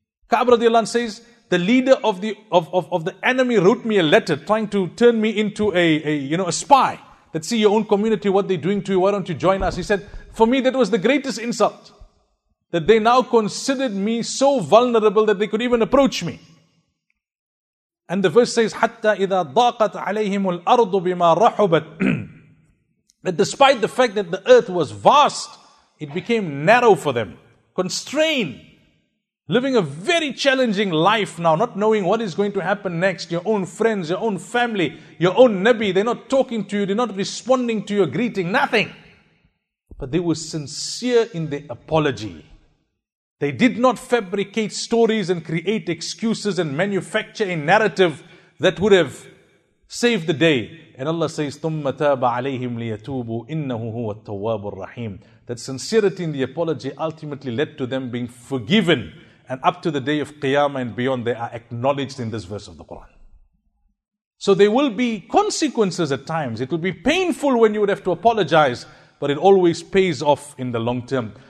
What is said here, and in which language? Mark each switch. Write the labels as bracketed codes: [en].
[en] Ka'b radiallahu anhu says, the leader of the enemy wrote me a letter trying to turn me into a spy. Let's see your own community, what they're doing to you, why don't you join us? He said, for me, that was the greatest insult. That they now considered me so vulnerable that they could even approach me. And the verse says, [ar] حَتَّى إِذَا ضَاقَتْ عَلَيْهِمُ الْأَرْضُ بِمَا رَحُبَتْ [en] that despite the fact that the earth was vast, it became narrow for them, constrained, living a very challenging life now, not knowing what is going to happen next. Your own friends, your own family, your own Nabi, they're not talking to you, they're not responding to your greeting, nothing. But they were sincere in their apology. They did not fabricate stories and create excuses and manufacture a narrative that would have saved the day. And Allah says, [ar] ثُمَّ تَابَ عَلَيْهِمْ لِيَتُوبُوا إِنَّهُ هُوَ التَّوَّابُ الرَّحِيمُ. [en] That sincerity in the apology ultimately led to them being forgiven. And up to the day of Qiyamah and beyond, they are acknowledged in this verse of the Quran. So there will be consequences at times. It will be painful when you would have to apologize, but it always pays off in the long term.